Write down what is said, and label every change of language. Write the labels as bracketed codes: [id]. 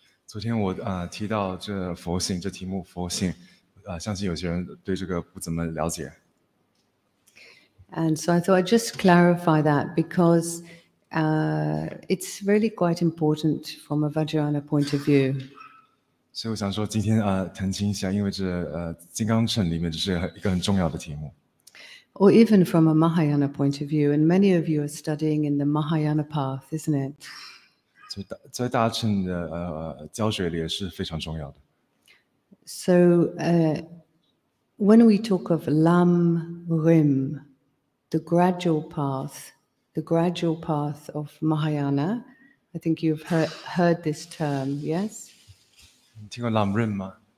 [zh] 昨天我提到这佛性，这题目佛性，相信有些人对这个不怎么了解。 [en] And so I thought I'd just clarify that because it's really quite important from a Vajrayana point of view. [zh] 所以我想说今天澄清一下，因为这金刚乘里面这是一个很重要的题目。 [en] Or even from a Mahayana point of view, and many of you are studying in the Mahayana path, isn't it? [zh] 在大乘的教学里也是非常重要的。 [en] So, when we talk of Lam Rim, the gradual path of Mahayana, I think you've heard this term, yes? [zh] 你听过 Lam Rim 吗？